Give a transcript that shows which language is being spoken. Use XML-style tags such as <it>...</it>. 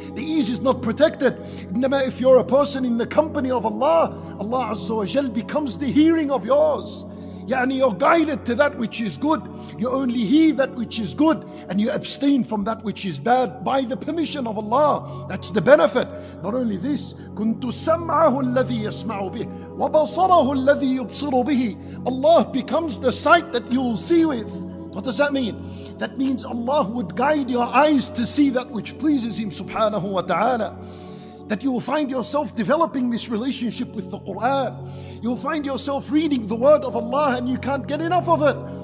<en>The ease is not protected. إنما if you're a person in the company of Allah, Allah Azza wa Jal becomes the hearing of yours. يعني you're guided to that which is good. You only hear that which is good and you abstain from that which is bad by the permission of Allah. That's the benefit. Not only this,</en> <ar>كنت سمعه الذي يسمع به وبصره الذي يبصر به.</ar> <en>Allah becomes the sight that you'll see with. What does that mean? That means Allah would guide your eyes to see that which pleases Him subhanahu wa ta'ala. That you will find yourself developing this relationship with the Quran. You will find yourself reading the word of Allah and you can't get enough of it.</en>